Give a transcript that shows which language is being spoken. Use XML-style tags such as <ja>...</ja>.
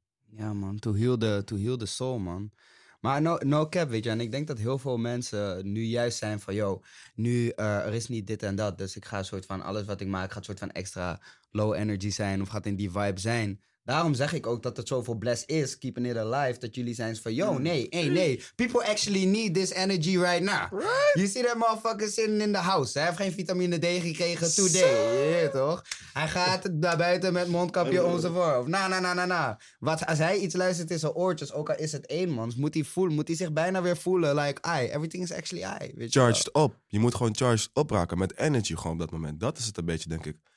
<en>Ja, man. To heal the soul, man. Maar no cap,</en> <nl>weet je. En ik denk dat heel veel mensen nu juist zijn van, yo, nu er is niet dit en dat. Dus ik ga een soort van, alles wat ik maak, gaat een soort van extra low energy zijn. Of gaat in die vibe zijn. Daarom zeg ik ook dat het zoveel bless is,</nl> <en>keeping it alive,</en> <nl>dat jullie zijn van, yo, nee.</nl> <en>People actually need this energy right now. What? You see that motherfucker sitting in the house.</en> <nl>Hij heeft geen vitamine D gekregen today.</nl> <en>So. Yeah,</en> <nl>toch? Hij gaat naar buiten met mondkapje enzovoort. Of na. Want als hij iets luistert in zijn oortjes, ook al is het één man, moet hij zich bijna weer voelen like,</nl> <en>everything is actually I. Charged up.</en> <nl>Je moet gewoon charged up raken met energy gewoon op dat moment. Dat is het een beetje, denk ik.</nl>